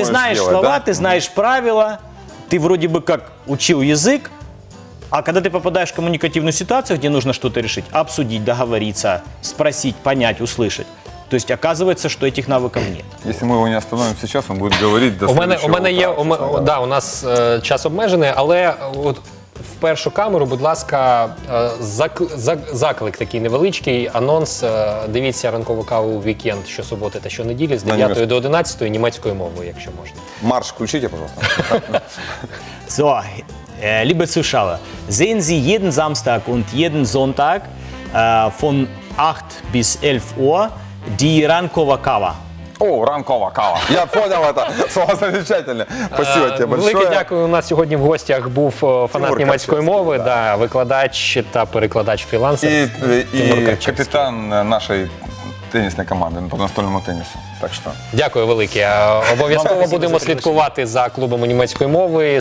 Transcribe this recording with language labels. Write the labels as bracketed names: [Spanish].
[Russian] Ты знаешь слова, ты знаешь правила, ты вроде бы как учил язык, а когда ты попадаешь в коммуникативную ситуацию, где нужно что-то решить, обсудить, договориться, спросить, понять, услышать, то есть оказывается, что этих навыков нет. Если мы его не остановим сейчас, он будет говорить до следующего утра. [Ukrainian] Да, у нас час обмежений, але от в першу камеру, будь ласка, заклик такий невеличкий, анонс, дивіться ранкову каву у вікенд, що суботи та що неділі, з 9 до 11 німецькою мовою, якщо можна. Марш, включіть, будь ласка. [German] So, liebe Zuschauer, sehen Sie jeden Samstag und jeden Sonntag von 8 bis 11 Uhr die Rankova Kava. [Russian] О, ранкова кава. Я понял это. Слово замечательно. Спасибо тебе большое. [Ukrainian] Велике дякую. У нас сьогодні в гостях був фанат німецької мови, да, викладач та перекладач фрілансер. І капітан нашої тенісної команди по настольному тенісу. Так що. Дякую велике. Обов'язково будемо слідкувати за клубами німецької мови.